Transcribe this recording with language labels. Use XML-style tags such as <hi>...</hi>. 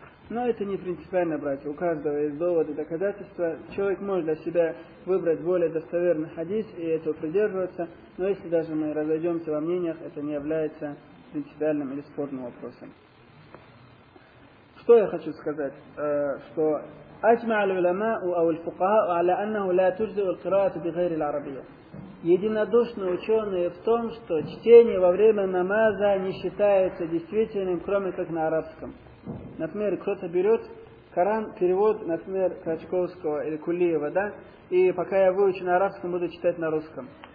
<ru>Но это не принципиально, братья. У каждого есть доводы, доказательства. Человек может для себя выбрать более достоверный хадис и этого придерживаться. Но если даже мы разойдемся во мнениях, это не является принципиальным или спорным вопросом. Что я хочу сказать? Что</ru> <ar>أجمع العلماء أو الفقهاء على أنه لا تجزئ القراءة بغير العربية.</ar> <ru>Единодушно ученые в том, что чтение во время намаза не считается действительным, кроме как на арабском. Например, кто-то берет Коран, перевод, например, Крачковского или Кулиева, да, и пока я выучу на арабском, буду читать на русском.</ru>